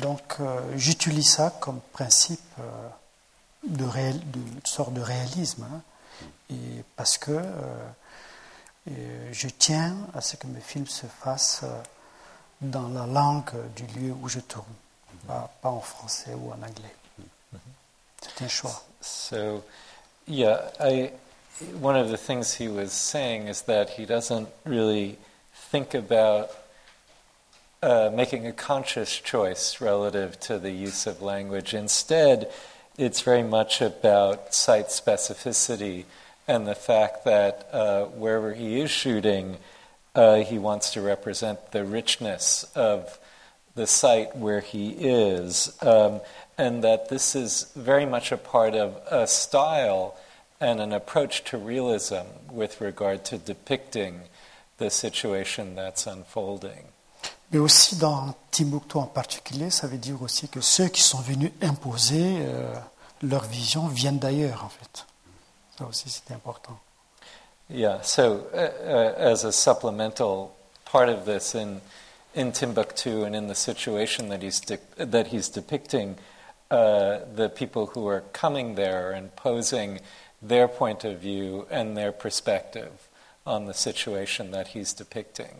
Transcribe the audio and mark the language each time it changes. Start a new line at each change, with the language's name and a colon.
French: Donc, j'utilise ça comme principe de sorte de réalisme. Hein. Et parce que je tiens à ce que mes films se fassent dans la langue du lieu où je tourne, pas en français ou en anglais. C'est un choix.
English: So, yeah, one of the things he was saying is that he doesn't really think about making a conscious choice relative to the use of language. Instead, it's very much about site specificity and the fact that wherever he is shooting, he wants to represent the richness of the site where he is, and that this is very much a part of a style and an approach to realism with regard to depicting the situation that's unfolding.
French: Mais aussi dans Timbuktu en particulier, ça veut dire aussi que ceux qui sont venus imposer leur vision vienne d'ailleurs, en fait. Ça aussi, c'est important.
English: Yeah, so as a supplemental part of this in Timbuktu and in the situation that he's depicting, the people who are coming there and posing their point of view and their perspective on the situation that he's depicting.